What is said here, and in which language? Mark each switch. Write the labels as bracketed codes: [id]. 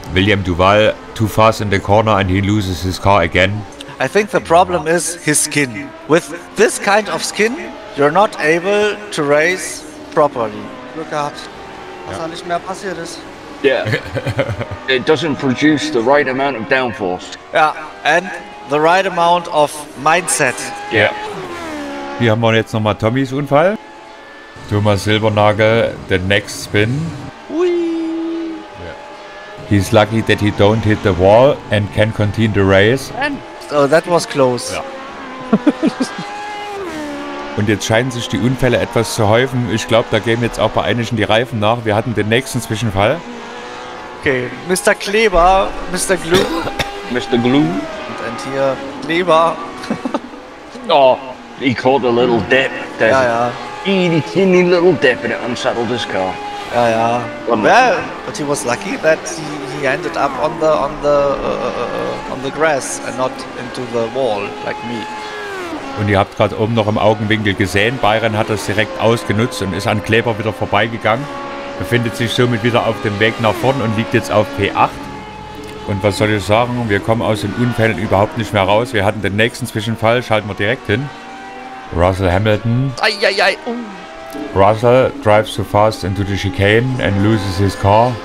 [en] William Duval, too fast in the corner and he loses his car again. I think the problem is his skin. With this kind of skin, you're not able to race properly. [de] Glück gehabt, dass da nicht mehr passiert ist. [en] Yeah, it doesn't produce the right amount of downforce. Yeah, and the right amount of mindset. Yeah. [de] Hier haben wir jetzt nochmal Tommys Unfall. Thomas Silbernagel, [en] the next spin. Whee! Yeah. He's lucky that he don't hit the wall and can continue the race. And Oh, that was close. Ja. [de] Und jetzt scheinen sich die Unfälle etwas zu häufen. Ich glaube, da gehen jetzt auch bei einigen die Reifen nach. Wir hatten den nächsten Zwischenfall. [en] Okay, Mr. Kleber, Mr. Glue. Mr. Glue. [de] Und ein Tier, Kleber. [en] Oh, he caught a little dip. Ja, ja. He had a teeny little dip and it unsettled his car. Ja, ja. Well, but he was lucky that he ended up on the grass and not into the wall, like me. [de] Und ihr habt gerade oben noch im Augenwinkel gesehen, Byron hat das direkt ausgenutzt und ist an Kleber wieder vorbeigegangen. Befindet sich somit wieder auf dem Weg nach vorn und liegt jetzt auf P8. Und was soll ich sagen, wir kommen aus den Unfällen überhaupt nicht mehr raus. Wir hatten den nächsten Zwischenfall, schalten wir direkt hin. [en] Russell Hamilton. Ei, ei, ei. Russell drives too fast into the chicane and loses his car.